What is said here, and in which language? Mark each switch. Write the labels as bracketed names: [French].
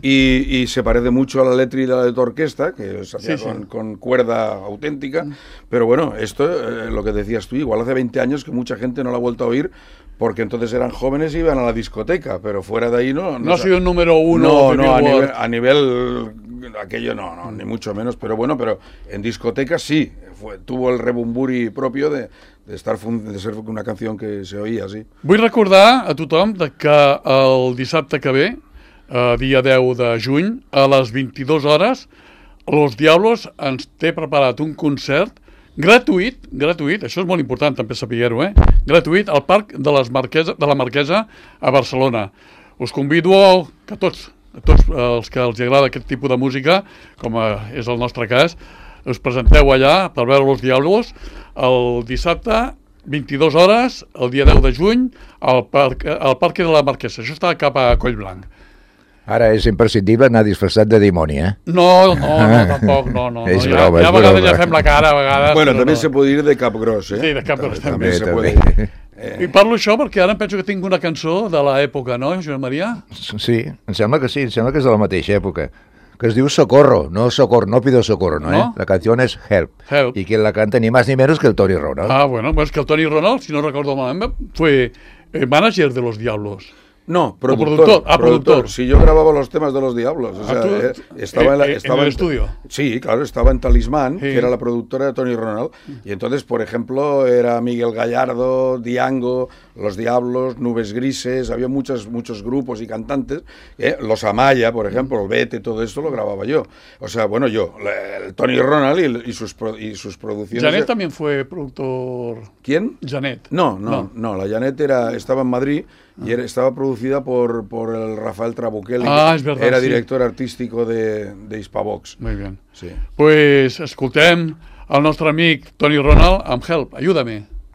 [Spanish] Y se parece mucho a la letra y a la de tu orquesta, que se hacía con cuerda auténtica, pero bueno, esto, lo que decías tú, igual hace 20 años que mucha gente no lo ha vuelto a oír, porque entonces eran jóvenes y iban a la discoteca, pero fuera de ahí no... No ha sido el número uno A nivel aquello no, ni mucho menos, pero bueno, pero en discoteca sí, tuvo el rebumburi propio de ser una canción que se oía así. [Catalan] Vull recordar a tothom que el dissabte que ve, dia 10 de juny, a les 22 hores, Los Diablos ens té preparat un concert gratuït, això és molt important també saber-ho, gratuït al Parc de les Marqueses, de la Marquesa a Barcelona. Us convido que a tots els que els agrada aquest tipus de música, com és el nostre cas, us presenteu allà per veure Los Diablos el dissabte, 22 hores, el dia 10 de juny, al Parc de la Marquesa. Això està cap a Collblanc. Ara és imprescindible anar disfressat de dimoni, eh? No, tampoc. És broma, ja, és broma. Ja a vegades ja fem la cara, a vegades... Bueno, també no. Se pot dir de cap gros, eh? Sí, de cap gros també se pot dir. I parlo això perquè ara penso que tinc una cançó de l'època, no, Joan Maria? Sí, em sembla que és de la mateixa època. Que es diu Socorro, no Socorro, [Spanish] no pido Socorro, [Catalan] no? La canció és Help. Help. I qui la canta ni més ni menys que el Tony Ronald. Ah, bueno, és que el Tony Ronald, si no recordo malament, [Spanish] fue manager de [Catalan] Los Diablos. [Spanish] No, productor. Sí, yo grababa los temas de Los Diablos. O sea, estaba en el estudio. Sí, claro, estaba en Talismán, sí. Que era la productora de Tony Ronald. Y entonces, por ejemplo, era Miguel Gallardo, Diango, Los Diablos, Nubes Grises, había muchos grupos y cantantes. Los Amaya, por ejemplo, el Vete, todo eso lo grababa yo. O sea, bueno, yo, el Tony Ronald y sus producciones. ¿Janet también fue productor? ¿Quién? Janet. No, la Janet estaba en Madrid. Y estaba producida por el Rafael Trabuquelli. Ah, es verdad. Era director artístico de Hispavox. Muy bien. Sí. [Catalan] Pues escoltem al nostre amic Tony Ronald amb Help, ajúdame.